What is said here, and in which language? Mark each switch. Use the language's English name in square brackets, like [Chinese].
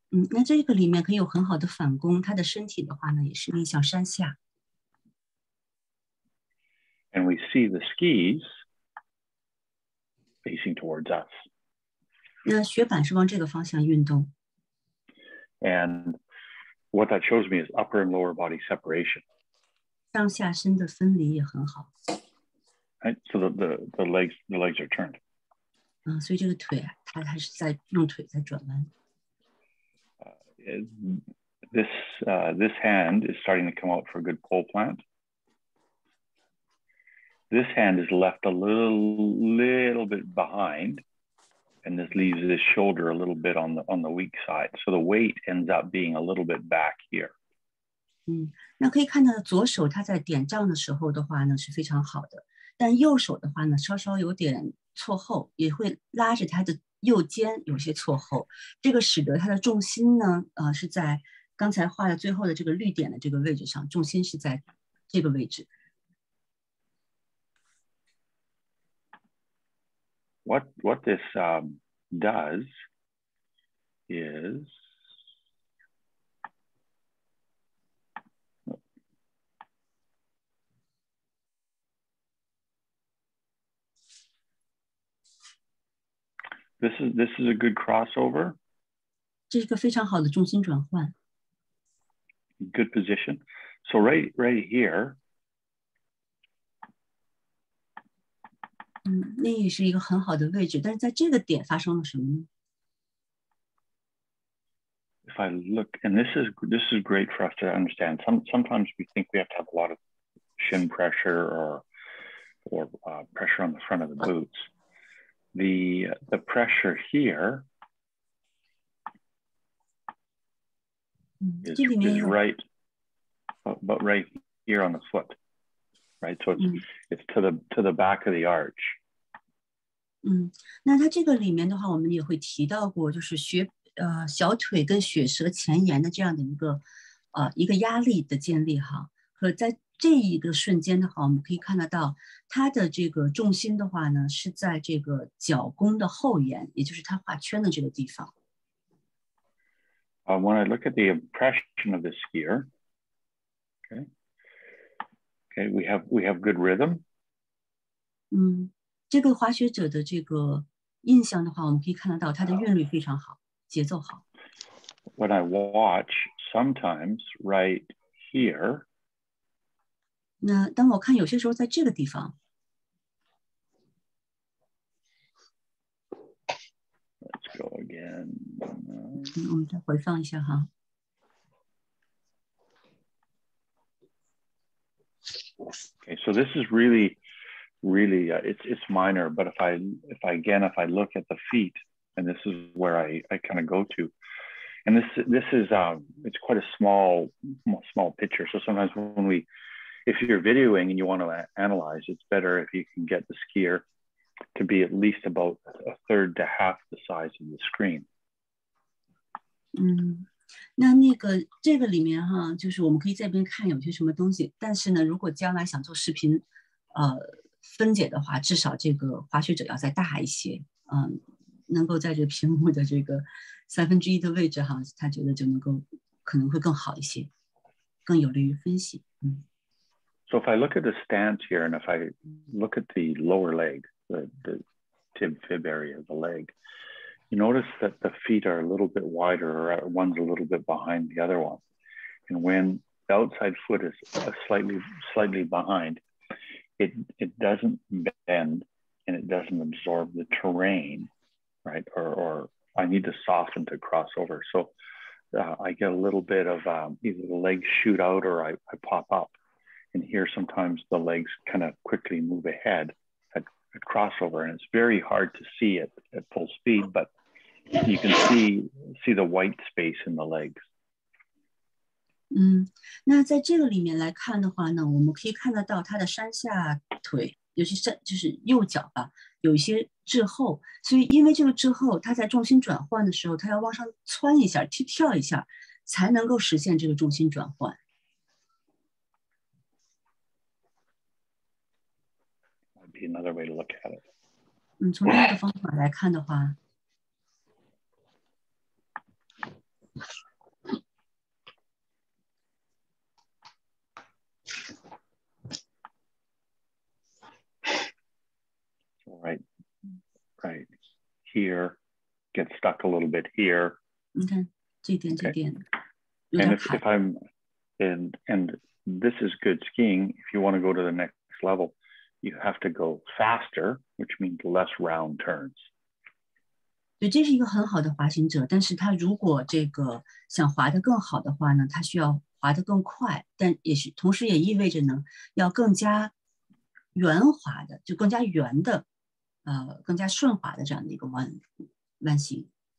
[Chinese] 那这个里面可以有很好的反攻，它的身体的话呢，也是面向山下。 [English] And we see the skis facing towards us. [Chinese] 那雪板是往这个方向运动。 [English] And what that shows me is upper and lower body separation. [Chinese] 上下身的分离也很好。 [English] Right, so the legs are turned. [Chinese] 所以这个腿它是在用腿在转弯。 [English] This hand is starting to come out for a good pole plant. This hand is left a little bit behind, and this leaves this shoulder a little bit on the weak side. So the weight ends up being a little bit back here. [Chinese] 那可以看到左手它在点杖的时候的话呢是非常好的，但右手的话呢稍稍有点错后，也会拉着它的右肩有些错后，这个使得它的重心呢是在刚才画的最后的这个绿点的这个位置上，重心是在这个位置。 [English] What this does isThis is a good crossover. [Chinese] 这是个非常好的重心转换。 [English] Good position. So right here. [Chinese] 那也是一个很好的位置，但是在这个点发生了什么呢？ [English] If I look, and this is great for us to understand. Sometimes we think we have to have a lot of shin pressure or pressure on the front of the boots. The pressure here is right, but right here on the foot, right? So it's to the back of the arch. [Chinese] 那它这个里面的话，我们也会提到过，就是小腿跟雪舌前沿的这样的一个压力的建立哈，和在。这一个瞬间的话，我们可以看得到它的这个重心的话呢，是在这个脚弓的后沿，也就是它画圈的这个地方。 [English] When I look at the impression of the skier, okay, we have good rhythm. [Chinese] 这个滑雪者的这个印象的话，我们可以看得到它的韵律非常好，节奏好。 [English] When I watch, sometimes right here. [Chinese] 那当我看有些时候在这个地方 [English] ，Let's go again。 [Chinese] 我们再回放一下哈。 [English] Okay, so this is really, really, it's minor. But if I look at the feet, and this is where I kind of go to, And this is quite a small picture. So sometimes when we, if you're videoing and you want to analyze, it's better if you can get the skier to be at least about a third to half the size of the screen. [Chinese] 那这个里面哈，就是我们可以在边看有些什么东西，但是呢，如果将来想做视频，分解的话，至少这个滑雪者要再大一些，能够在这个屏幕的这个三分之一的位置哈，他觉得就能够可能会更好一些，更有利于分析。 [English] So if I look at the stance here, and if I look at the lower leg, the tib fib area of the leg, you notice that the feet are a little bit wider, or one's a little bit behind the other one. And when the outside foot is slightly behind, it doesn't bend and it doesn't absorb the terrain, right? Or I need to soften to cross over. So I get a little bit of either the legs shoot out or I pop up. And here sometimes the legs kind of quickly move ahead at crossover. And it's very hard to see it at full speed, but you can see the white space in the legs. [Chinese] 那在这个里面来看的话呢，我们可以看得到它的山下腿，尤其是就是右脚吧，有一些滞后，所以因为这个滞后，它在重心转换的时候，它要往上窜一下，跳一下，才能够实现这个重心转换。 [English] Might be another way to look at it. [Chinese] 从另一个方法来看的话。 [English] Right here, get stuck a little bit here. Okay. And if I'm, and this is good skiing, if you want to go to the next level, you have to go faster, which means less round turns. [Chinese] 对，这是一个很好的滑行者，但是他如果这个想滑得更好的话呢，他需要滑得更快，但也是同时也意味着呢，要更加圆滑的，就更加圆的。更加顺滑的这样的一个弯形。